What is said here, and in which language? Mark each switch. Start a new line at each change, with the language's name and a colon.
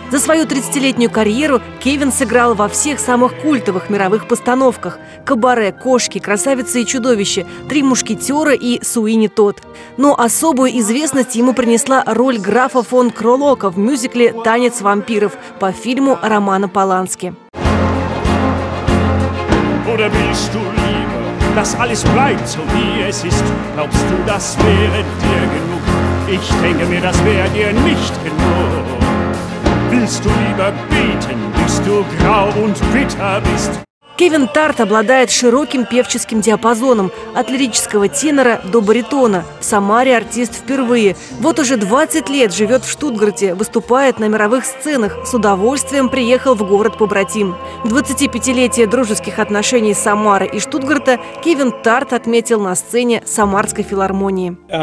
Russian: За свою 30-летнюю карьеру Кевин сыграл во всех самых культовых мировых постановках – «Кабаре», «Кошки», «Красавица и чудовище», «Три мушкетера» и «Суини Тодд». Но особую известность ему принесла роль графа фон Кролока в мюзикле «Танец вампиров» по фильму Романа Полански.
German: Oder willst du lieber, dass alles bleibt, so wie es ist? Glaubst du, das wäre dir genug? Ich denke mir, das wäre dir nicht genug. Willst du lieber beten, bis du grau und bitter bist?
Russian: Кевин Тарт обладает широким певческим диапазоном от лирического тенора до баритона. В Самаре артист впервые. Вот уже 20 лет живет в Штутгарте, выступает на мировых сценах, с удовольствием приехал в город-побратим. 25-летие дружеских отношений Самары и Штутгарта Кевин Тарт отметил на сцене Самарской филармонии.